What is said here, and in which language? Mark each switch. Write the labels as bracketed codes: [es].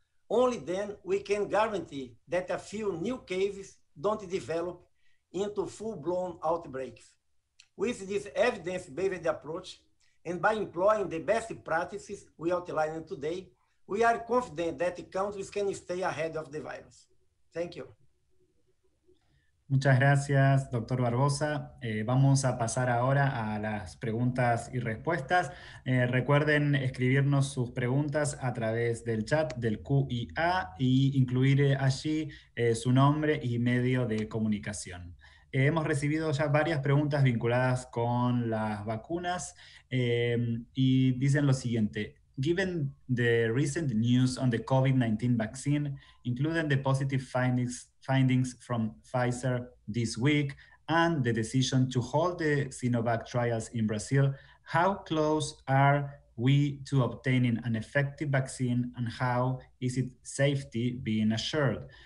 [en] Only then we can guarantee that a few new cases don't develop into full-blown outbreaks. With this evidence-based approach, and by employing the best practices we outlined today, we are confident that countries can stay ahead of the virus. Thank you. [es] Muchas gracias, doctor Barbosa. Vamos a pasar ahora a las preguntas y respuestas. Recuerden escribirnos sus preguntas a través del chat del QIA e incluir allí su nombre y medio de comunicación. Hemos recibido ya varias preguntas vinculadas con las vacunas y dicen lo siguiente. [en] Given the recent news on the COVID-19 vaccine, including the positive findings from Pfizer this week and the decision to hold the Sinovac trials in Brazil, how close are we to obtaining an effective vaccine and how is its safety being assured?